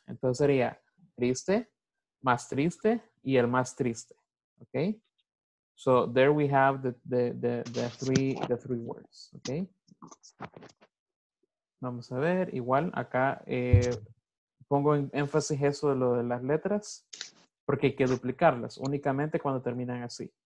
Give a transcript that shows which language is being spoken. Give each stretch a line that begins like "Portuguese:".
Spanish: Entonces sería triste, más triste y el más triste. ¿Ok?
English: So there we have the three words, okay?
Spanish: Vamos a ver, igual acá pongo en énfasis eso de lo de las letras, porque hay que duplicarlas únicamente cuando terminan así.